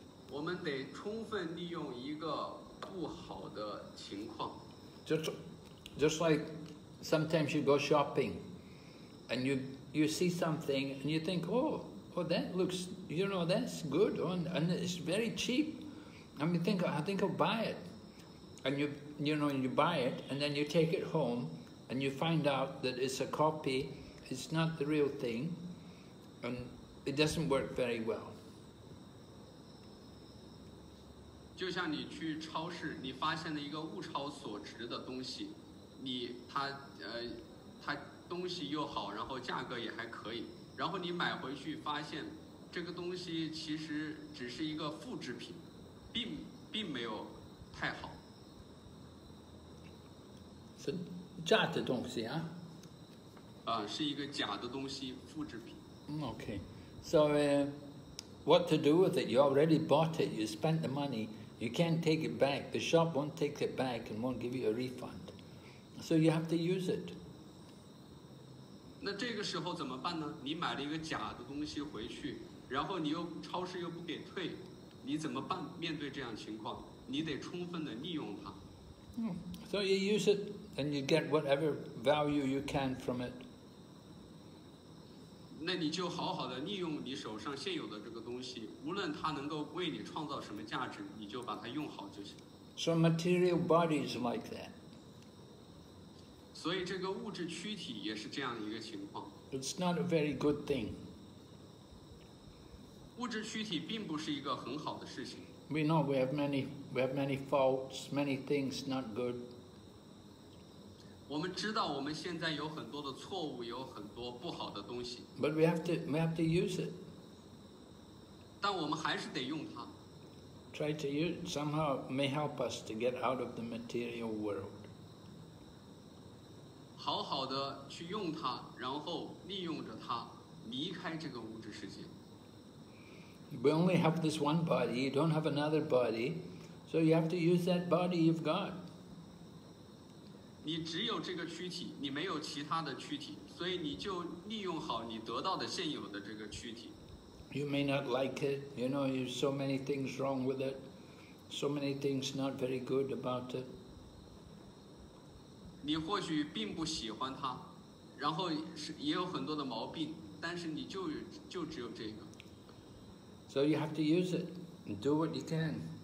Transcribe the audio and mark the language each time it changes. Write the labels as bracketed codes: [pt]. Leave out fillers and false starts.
[zh] 我们得充分利用一个不好的情况。 [en] Just like sometimes you go shopping and you see something and you think, oh, that looks, you know, that's good and it's very cheap. And you think, I think I'll buy it. And you buy it and then you take it home and you find out that it's a copy, it's not the real thing, and it doesn't work very well. [zh] 就像你去超市，你发现了一个物超所值的东西，它东西又好，然后价格也还可以，然后你买回去发现这个东西其实只是一个复制品，并没有太好。是假的东西啊？是一个假的东西，复制品。 [en] Okay, so what to do with it? You already bought it. You spent the money. You can't take it back. The shop won't take it back and won't give you a refund. So you have to use it. [zh] 那这个时候怎么办呢？你买了一个假的东西回去，然后你又超市又不给退，你怎么办？面对这样情况，你得充分的利用它。 [en] So you use it and you get whatever value you can from it. [zh] 那你就好好的利用你手上现有的这个东西，无论它能够为你创造什么价值，你就把它用好就行。 [en] So material body is like that. [zh] 所以这个物质躯体也是这样一个情况。 [en] It's not a very good thing. [zh] 物质躯体并不是一个很好的事情。 [en] We know we have many faults, many things not good. [zh] 我们知道我们现在有很多的错误，有很多不好的东西。 [en] But we have to use it. [zh] 但我们还是得用它。 [en] Try to use it. Somehow may help us to get out of the material world. [zh] 好好的去用它，然后利用着它，离开这个物质世界。 [en] We only have this one body, you don't have another body, so you have to use that body you've got. [zh] 你只有这个躯体，你没有其他的躯体，所以你就利用好你得到的现有的这个躯体。 [en] You may not like it, you know, there's so many things wrong with it, so many things not very good about it. [zh] 你或许并不喜欢它，然后也有很多的毛病，但是你就只有这个。 [en] So you have to use it and do what you can.